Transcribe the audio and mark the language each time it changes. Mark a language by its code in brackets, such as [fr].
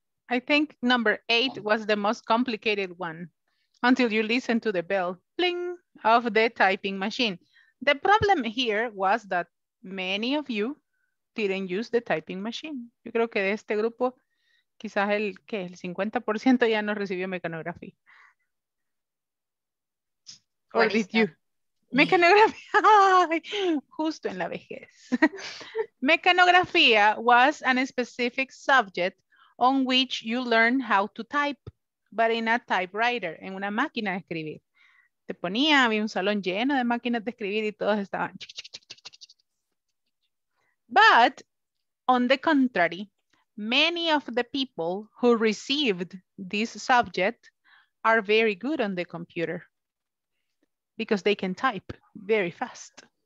[en] I think number 8 was the most complicated one until you listen to the bell, bling, of the typing machine. The problem here was that many of you didn't use the typing machine. [es] Yo creo que de este grupo, quizás el 50% ya no recibió mecanografía. [en] Or did you? [es] Mecanografía, justo en la vejez. [en] Mecanografía was a specific subject on which you learn how to type, but in a typewriter, [es] en una máquina de escribir. Te ponía, había un salón lleno de máquinas de escribir y todos estaban. [en] But, on the contrary, many of the people who received this subject are very good on the computer because they can type very fast.